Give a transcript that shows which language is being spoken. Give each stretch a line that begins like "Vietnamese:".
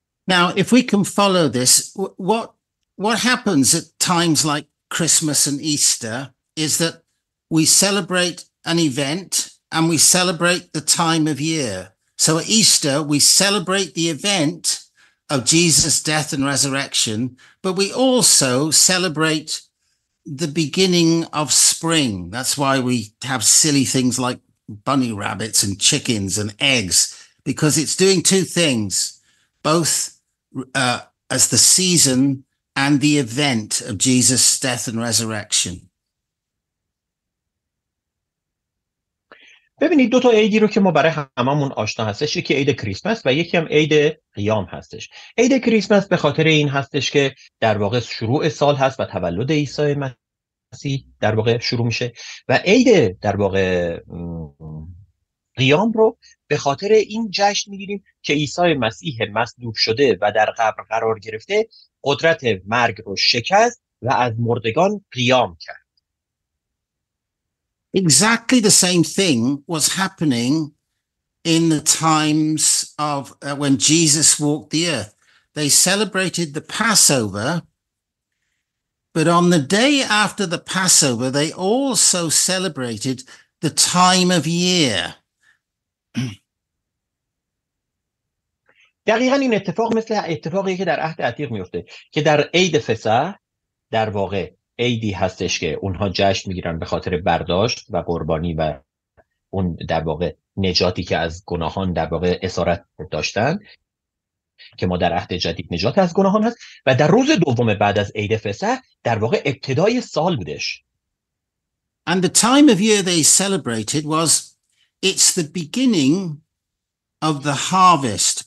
English: Now if we can follow this, what happens at times like Christmas and Easter is that we celebrate an event and we celebrate the time of year. So at Easter, we celebrate the event of Jesus' death and resurrection, but we also celebrate the beginning of spring. That's why we have silly things like bunny rabbits and chickens and eggs, because it's doing two things, both as the season and the event of Jesus' death and resurrection.
Persian: ببینید دو تا عیدی رو که ما برای هممون آشنا هستش، یکی عید کریسمس و یکی هم عید قیام هستش. عید کریسمس به خاطر این هستش که در واقع شروع سال هست و تولد عیسی مسیح در واقع شروع میشه، و عید در واقع قیام رو به خاطر این جشن میگیریم که عیسی مسیح مصلوب شده و در قبر قرار گرفته، قدرت مرگ رو شکست و از مردگان قیام کرد.
English: Exactly the same thing was happening in the times of when Jesus walked the earth. They celebrated the Passover, but on the day after the Passover, they also celebrated the time of year.
Persian: دقیقاً این اتفاق مثل اتفاقی که در عهد عتیق میفته، که در عید فسح در واقع عیدی هستش که اونها جشن میگیرن به خاطر برداشت و قربانی و اون در واقع نجاتی که از گناهان در واقع اسارت داشتن، که ما در عهد جدید نجات از گناهان هست، و در روز دوم بعد از عید فسح در واقع ابتدای سال بودش.
English: And the time of year they celebrated was it's the beginning of the harvest.